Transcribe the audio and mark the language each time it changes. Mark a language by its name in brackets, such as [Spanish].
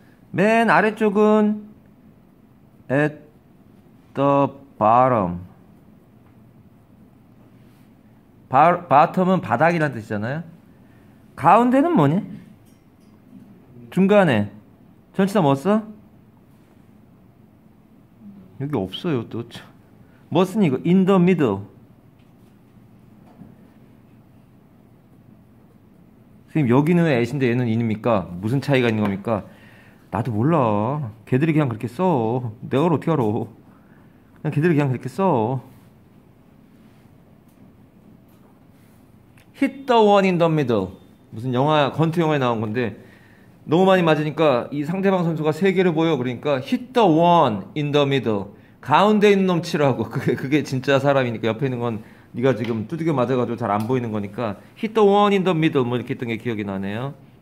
[Korean] 맨 아래쪽은 [English] at the bottom. [Korean] bottom은 바닥이란 뜻이잖아요. 가운데는 뭐니? 중간에. 전치사 뭐 써? 여기 없어요, 또. 뭐 쓰니, 이거? [English] in the middle. [Korean] 선생님, 여기는 at인데 얘는 in입니까? 무슨 차이가 있는 겁니까? 나도 몰라. 걔들이 그냥 그렇게 써. 내가 어떻게 알아. 그냥 걔들이 그냥 그렇게 써. [English] Hit the one in the middle. [Korean] 무슨 영화, 권투 영화에 나온 건데 너무 많이 맞으니까 이 상대방 선수가 세 개를 보여. 그러니까 [English] hit the one in the middle. [Korean] 가운데 있는 놈 치라고. 그게 진짜 사람이니까 옆에 있는 건 네가 지금 두드겨 맞아가지고 잘 안 보이는 거니까 [English] hit the one in the middle [Korean] 뭐 이렇게 했던 게 기억이 나네요.